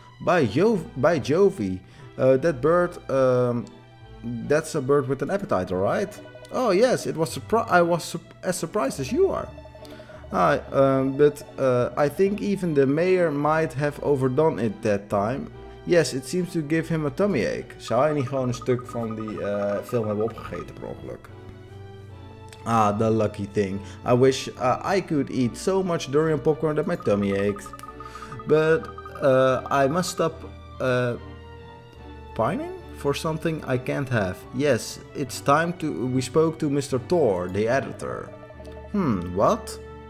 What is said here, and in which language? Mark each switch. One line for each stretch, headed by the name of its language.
English: By Jovi, that bird, that's a bird with an appetite, alright? Oh yes, it was I was as surprised as you are. But I think even the mayor might have overdone it that time. Yes, it seems to give him a tummy ache.
Dutch: Zou hij niet gewoon een stuk van die film hebben opgegeten per ongeluk?
English: Ah, the lucky thing. I wish I could eat so much durian popcorn that my tummy aches. But I must stop pining for something I can't have. Yes, it's time to we spoke to Mr. Thor, the editor. Hmm, what?